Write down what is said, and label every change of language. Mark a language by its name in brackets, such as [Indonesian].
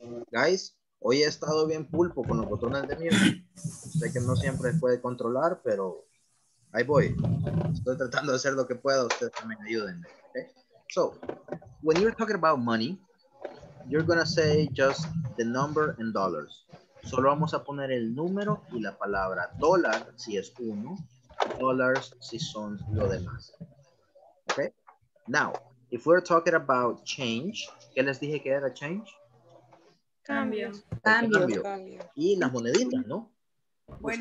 [Spanish] Guys, hoy he estado bien pulpo con los botones de mierda. Sé que no siempre puede controlar, pero ahí voy. Estoy tratando de hacer lo que pueda. Ustedes también ayúdenme. Okay? [English] So, when you're talking about money, you're going to say just the number and dollars. [Spanish] Solo vamos a poner el número y la palabra dólar si es uno, dollars si son lo demás. [English] Okay? Now, if we're talking about change, [Spanish] ¿qué les dije que era change? Cambio. Cambio. Cambio. Y las moneditas, ¿no? Bueno.